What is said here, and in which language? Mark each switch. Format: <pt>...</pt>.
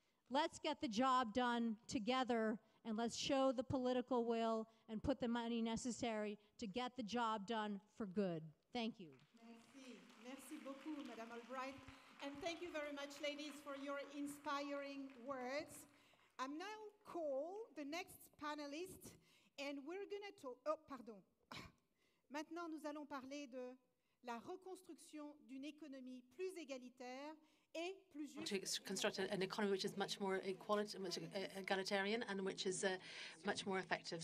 <en>Let's get the job done together, and let's show the political will and put the money necessary to get the job done for good. Thank you.</en> <fr>Merci. Merci beaucoup, Madame Albright.</fr> <en>And thank you very much, ladies, for your inspiring words. I'm now call the next panelist, and we're going to talk. Oh, pardon.</en> <fr>Maintenant, nous allons parler de la reconstruction d'une économie plus égalitaire et plus juste.</fr> <en>To construct an economy which is much more egalitarian and which is much more effective.</en>